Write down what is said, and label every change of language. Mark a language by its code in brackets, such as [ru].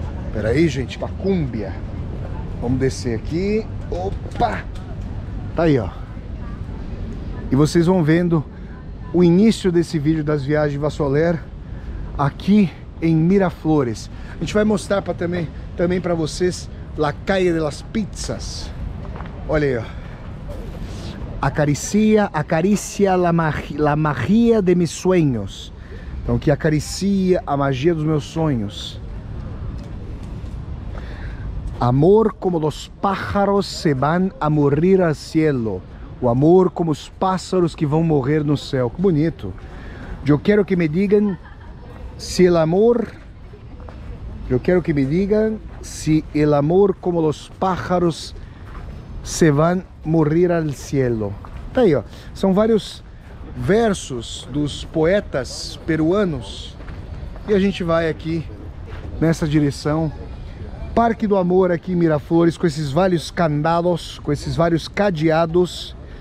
[pt] Pera aí, gente, a cúmbia. Vamos descer aqui, opa, tá aí, ó. E vocês vão vendo o início desse vídeo das viagens de Vassoler aqui em Miraflores. A gente vai mostrar pra também pra vocês La Calle de las Pizzas. Olha aí, ó. [es] Acaricia la magia de mis sueños. [pt] Então, que acaricia a magia dos meus sonhos. [es] Amor como los pájaros se van a morir al cielo. [pt] O amor como os pássaros que vão morrer no céu. Que bonito. Eu quero que me digam se [es] el amor... [pt] Eu quero que me digam se [es] el amor como los pájaros... se van morrer al cielo. Tá aí, ó. [pt] São vários versos dos poetas peruanos. E a gente vai aqui nessa direção Parque do Amor aqui em Miraflores, com esses vários candados, com esses vários cadeados.